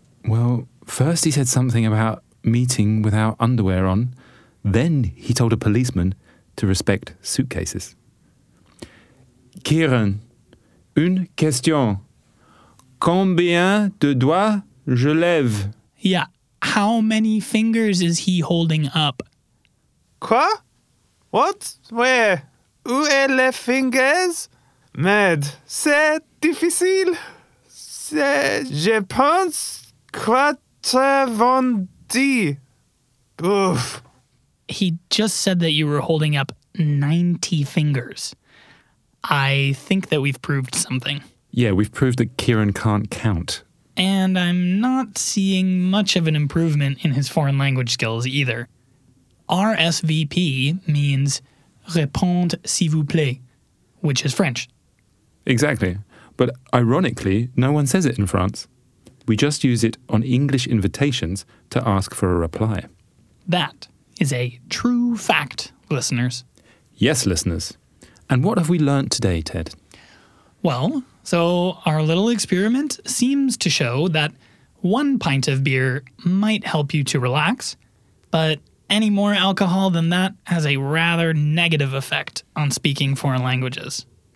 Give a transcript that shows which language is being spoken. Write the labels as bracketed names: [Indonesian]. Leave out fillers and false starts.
[English] Well, first he said something about meeting without underwear on. Then he told a policeman to respect suitcases. [French] Kieran, une question. Combien de doigts je lève? [English] Yeah, how many fingers is he holding up? [French] Quoi? [English] What? Where? [French] Où est les fingers? Mad, c'est difficile. Je pense 90. Ouf. [English] He just said that you were holding up 90 fingers. I think that we've proved something. Yeah, we've proved that Kieran can't count. And I'm not seeing much of an improvement in his foreign language skills either. RSVP means [French] répondre s'il vous plaît, [English] which is French. Exactly. But ironically, no one says it in France. We just use it on English invitations to ask for a reply. That is a true fact, listeners. Yes, listeners. And what have we learnt today, Ted? Well, so our little experiment seems to show that one pint of beer might help you to relax, but any more alcohol than that has a rather negative effect on speaking foreign languages.